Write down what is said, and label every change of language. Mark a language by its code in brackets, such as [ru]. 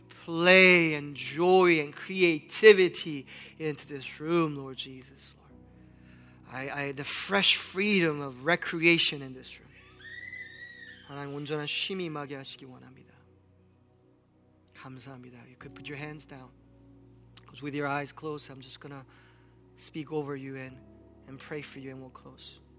[en] Play and joy and creativity into this room, Lord Jesus. Lord. The fresh freedom of recreation in this room. [ko] 하나님 온전한 쉼이 임하게 하시기 원합니다. 감사합니다. [en] You could put your hands down. Because with your eyes closed, I'm just going to speak over you and pray for you and we'll close.